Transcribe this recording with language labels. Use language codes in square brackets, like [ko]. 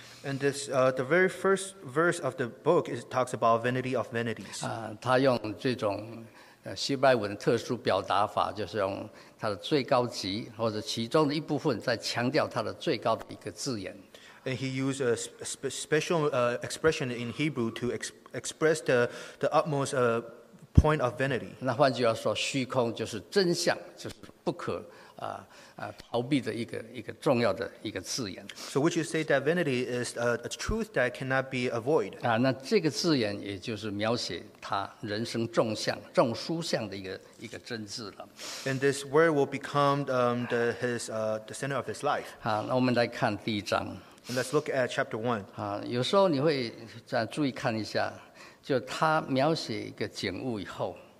[en] And this, the very first verse of the book is talks about vanity of vanities. [zh] 他用这种希伯来文的特殊表达法，就是用它的最高级或者其中的一部分，在强调它的最高的一个字眼。 [en] And he used a special expression in Hebrew to express the utmost point of vanity. [zh] 那换句话说，虚空就是真相，就是不可。逃避的一个重要的一个字眼。 [en] So would you say that vanity is a truth that cannot be avoided? [zh] 那这个字眼也就是描写他人生众书相的一个真字了。 [en] And this word will become the center of his life. [zh] 那我们来看第一章。 [en] And let's look at chapter one. [zh] 有时候你会注意看一下，就他描写一个景物以后。